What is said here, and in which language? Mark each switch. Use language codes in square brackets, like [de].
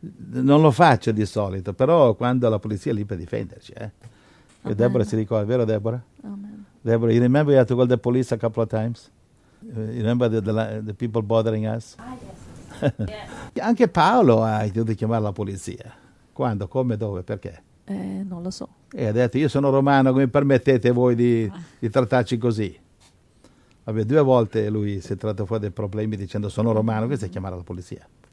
[it] non lo faccio di solito, però quando la polizia è lì per difenderci, eh? E Deborah si ricorda, vero Deborah? Amen. [en] Deborah, you remember you had to call the police a couple of times? You remember the people bothering us? Ah, yes. [it] Anche Paolo ha dovuto chiamare la polizia. Quando, come, dove, perché? Non lo so. E ha detto, io sono romano, come permettete voi di trattarci così? Vabbè, 2 volte lui si è tratto fuori dei problemi dicendo sono romano, questo è chiamare la polizia.